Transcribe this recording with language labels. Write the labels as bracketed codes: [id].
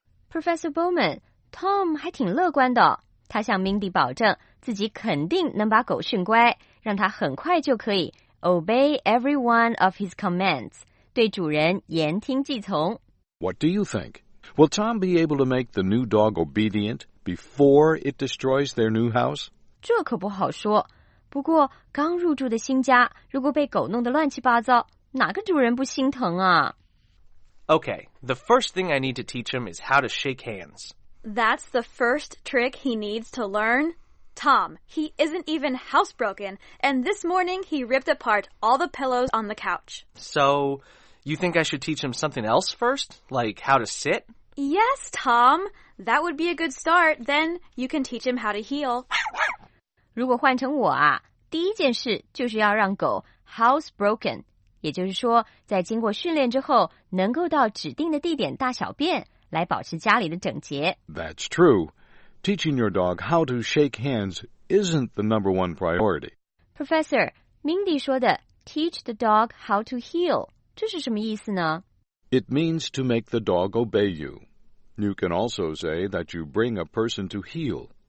[zh] Professor Bowman, Tom 还挺乐观的，他向 Mindy 保证自己肯定能把狗训乖，让他很快就可以 [en] obey every one of his commands, [zh] 对主人言听计从。 [en] What do you think? Will Tom be able to make the new dog obedient? Before it destroys their new house? [zh] 这可不好说。不过刚入住的新家如果被狗弄得乱七八糟，哪个主人不心疼啊？ [en] Okay, the first thing I need to teach him is how to shake hands. That's the first trick he needs to learn? Tom, he isn't even housebroken, and this morning he ripped apart all the pillows on the couch. So, you think I should teach him something else first? Like how to sit? Yes, Tom. That would be a good start. Then you can teach him how to heal. [zh] 如果换成我啊，第一件事就是要让狗 housebroken， 也就是说，在经过训练之后，能够到指定的地点大小便，来保持家里的整洁。 [en] That's true. Teaching your dog how to shake hands isn't the number one priority. [zh] Professor, Mindy 说的 [en] teach the dog how to heal， [zh] 这是什么意思呢？ [en] It means to make the dog obey you. You can also say that you bring a person to heal.